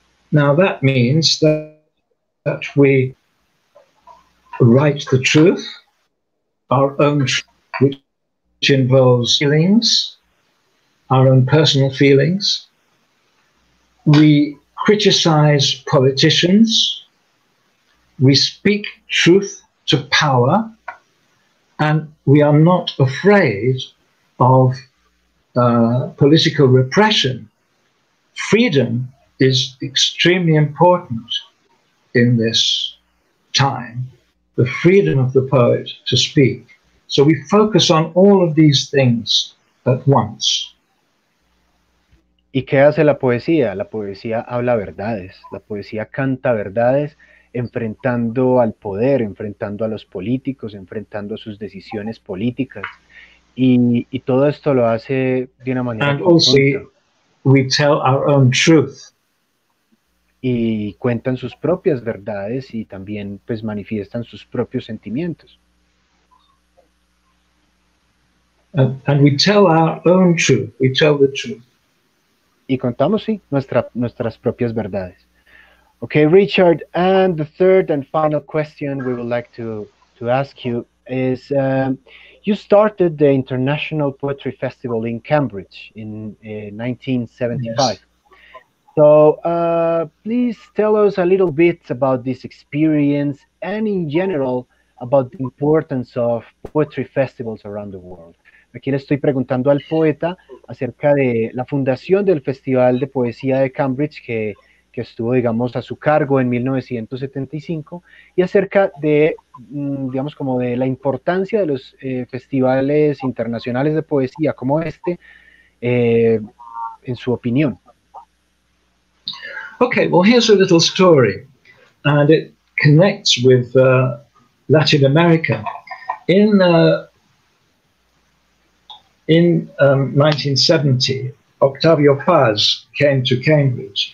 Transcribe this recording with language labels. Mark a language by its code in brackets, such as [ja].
[en] Now that means that we write the truth, our own, which involves feelings, our own personal feelings. We criticize politicians. We speak truth to power. And we are not afraid of political repression. Freedom is extremely important in this time, the freedom of the poet to speak. So we focus on all of these things at once. [es] ¿Y qué hace la poesía? La poesía habla verdades, la poesía canta verdades, enfrentando al poder, enfrentando a los políticos, enfrentando sus decisiones políticas. Y todo esto lo hace de una manera [en] And also conjunta. We tell our own truth. [es] Y cuentan sus propias verdades y también pues manifiestan sus propios sentimientos. [en] And we tell our own truth. We tell the truth. [es] Y contamos, sí, nuestras propias verdades. [en] Okay, Richard, and the third and final question we would like to ask you is, you started the International Poetry Festival in Cambridge in 1975. Yes. So please tell us a little bit about this experience and in general about the importance of poetry festivals around the world. Aquí le estoy preguntando al poeta acerca de la fundación del Festival de Poesía de Cambridge que estuvo, digamos, a su cargo en 1975, y acerca de, digamos, como de la importancia de los festivales internacionales de poesía como este, en su opinión. Okay, well, here's a little story, and it connects with Latin America. In 1970, Octavio Paz came to Cambridge.